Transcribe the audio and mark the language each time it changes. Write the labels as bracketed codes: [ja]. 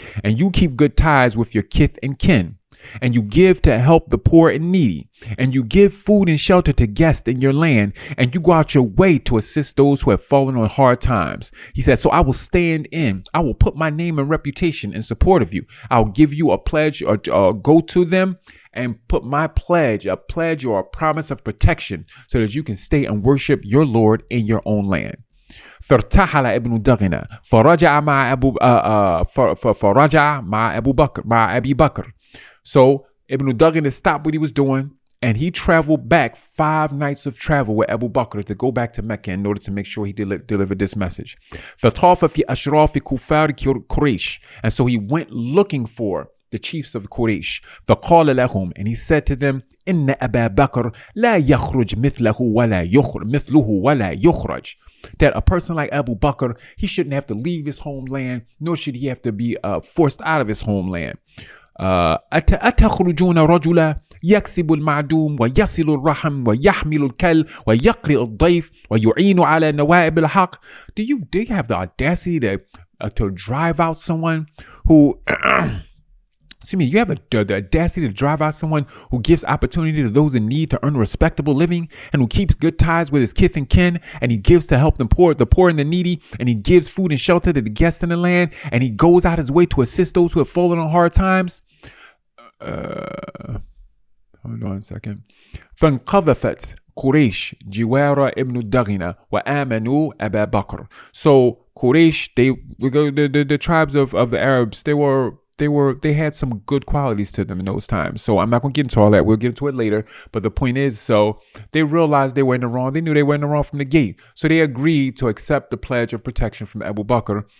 [en] And you keep good ties with your kith and kin. And you give to help the poor and needy, and you give food and shelter to guests in your land, and you go out your way to assist those who have fallen on hard times. He said, so I will stand in, I will put my name and reputation in support of you. I'll give you a pledge or go to them and put my pledge, a pledge or a promise of protection so that you can stay and worship your Lord in your own land. [ar] فارتحل ابن دغنة فرجع مع ابو فرجع مع ابو بكر مع ابي بكر. [en] So Ibn al-Dughni stopped what he was doing and he traveled back five nights of travel with Abu Bakr to go back to Mecca in order to make sure he delivered this message. And so he went looking for the chiefs of Quraysh. [ar] فَقَالَ لَهُمْ [en] And he said to them, [ar] إِنَّ أَبَا بَكْرَ لَا يَخْرُجْ مِثْلُهُ وَلَا يُخْرَجْ [en] That a person like Abu Bakr, he shouldn't have to leave his homeland, nor should he have to be forced out of his homeland. [ar] أتخرجون رجلا يكسب المعدوم ويصل الرحم ويحمل الكل ويقري الضيف ويعين على نوائب الحق. [en] Do you have the audacity to drive out someone who you have the audacity to drive out someone who gives opportunity to those in need to earn respectable living and who keeps good ties with his kith and kin and he gives to help the poor and the needy and he gives food and shelter to the guests in the land and he goes out his way to assist those who have fallen on hard times? Hold on a second. [ar] فانقذفت قريش جوار ابن الدغنة وآمنوا أبا بكر. [en] So Quraysh, the tribes of the Arabs, they had some good qualities to them in those times. So I'm not going to get into all that. We'll get into it later. But the point is, so they realized they were in the wrong. They knew they were in the wrong from the gate. So they agreed to accept the pledge of protection from Abu Bakr.